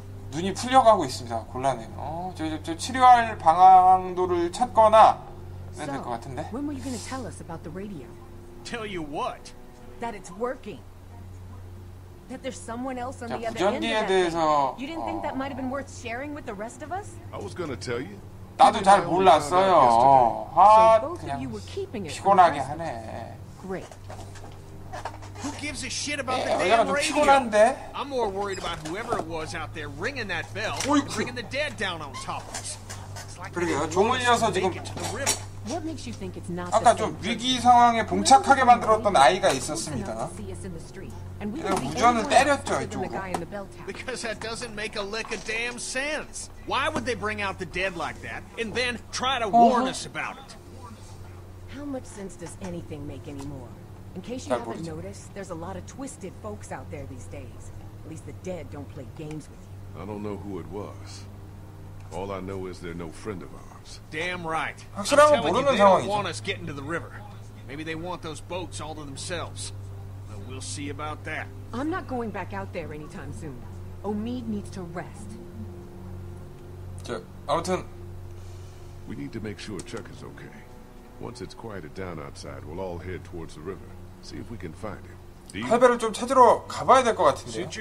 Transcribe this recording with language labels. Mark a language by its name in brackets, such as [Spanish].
[Korean] 눈이 풀려가고 있습니다. 곤란해요. 저 치료할 방향도를 찾거나 해야 될 것 같은데. [English] When were you going to tell us about the radio? Tell you what? That it's working. That there's someone else on the other end. [Korean] 부전기에 대해서 [English] You didn't think that might have been worth sharing with the rest of us? I was going to tell you. [Korean] 나도 잘 몰랐어요. 아, 그냥 피곤하게 하네. [English] Great. Who gives a shit about the damn radio? [Korean] 피곤한데. [English] I'm more worried about whoever it was out there ringing that bell, bringing the dead down on top of us. [Korean] 그러게요. 종을 이어서 지금. [English] What makes you think it's not? [Korean] 아까 좀 위기 상황에 봉착하게 만들었던 아이가 있었습니다. 우전을 때렸죠, 이쪽으로. [English] Because that doesn't make a lick of damn sense. Why would they bring out the dead like that and then try to warn us about it? How much sense does anything make anymore? In case you haven't noticed, there's a lot of twisted folks out there these days. At least the dead don't play games with you. I don't know who it was. All I know is they're no friend of ours. Damn right. I'm telling you, they don't want us getting to the river. Maybe they want those boats all to themselves. We'll see about that. I'm not going back out there anytime soon. Omid needs to rest. [Korean] 자, 아무튼 [English] We need to make sure Chuck is okay. Once it's quieted down outside, we'll all head towards the river. See if we can find him. [Korean] 할배를 좀 찾으러 가봐야 될 것 같은데요.